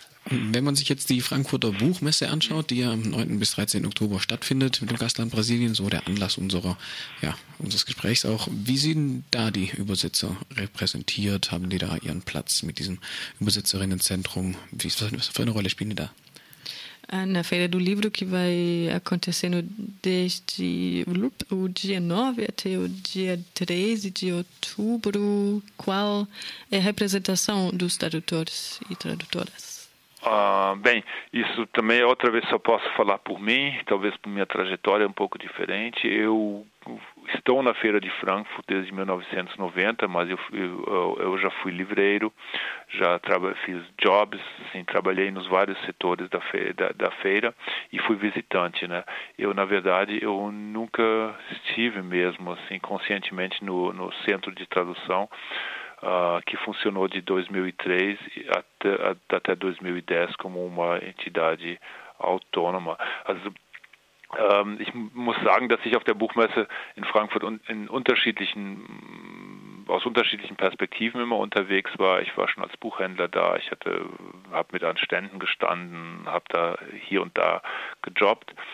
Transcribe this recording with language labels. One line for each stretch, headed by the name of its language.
German: Wenn man sich jetzt die Frankfurter Buchmesse anschaut, die ja am 9. bis 13. Oktober stattfindet mit dem Gastland Brasilien, so der Anlass unseres Gesprächs auch. Wie sind da die Übersetzer repräsentiert? Haben die da ihren Platz mit diesem Übersetzerinnenzentrum? Was für eine Rolle spielen die da?
Portuguese: Na Feira do Livro, que vai acontecendo desde o dia 9 até o dia 13 de outubro, qual é a representação dos tradutores e tradutoras? Bem, isso também é outra vez, só posso falar por mim, talvez por minha trajetória é um pouco diferente. Eu estou na Feira de Frankfurt desde 1990, mas eu já fui livreiro, já fiz jobs, assim, trabalhei nos vários setores da feira e fui visitante, né? Eu, na verdade, eu nunca estive mesmo assim conscientemente no centro de tradução, que funcionou de 2003 até 2010 como uma entidade autônoma.
German: Also, ich muss sagen, dass ich auf der Buchmesse in Frankfurt aus unterschiedlichen Perspektiven immer unterwegs war. Ich war schon als Buchhändler da, ich habe mit an Ständen gestanden, habe da hier und da gejobbt.